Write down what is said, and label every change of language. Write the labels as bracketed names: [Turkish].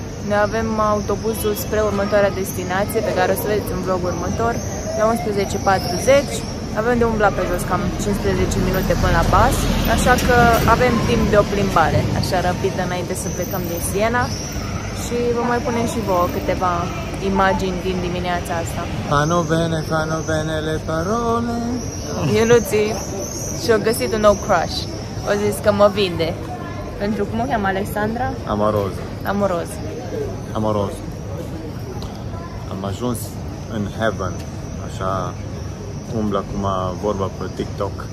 [Romanian] Ne avem autobuzul spre următoarea destinație, pe care o să vedeți în vlogul următor, la 11:40. Avem de umblat pe jos cam 15 minute până la pas, așa că avem timp de o plimbare așa rapidă înainte să plecăm din Siena. Și vă mai punem și vouă câteva imagini din dimineața asta. [Italian] Fanno bene, fanno bene le parole. [Romanian] Ionuții și-a găsit un nou crush. O zis că mă vinde. Pentru cum o cheamă, Alexandra? Amoroz. Amoroz. Amoroz. Am ajuns în heaven. Așa umblă acum vorba pe TikTok.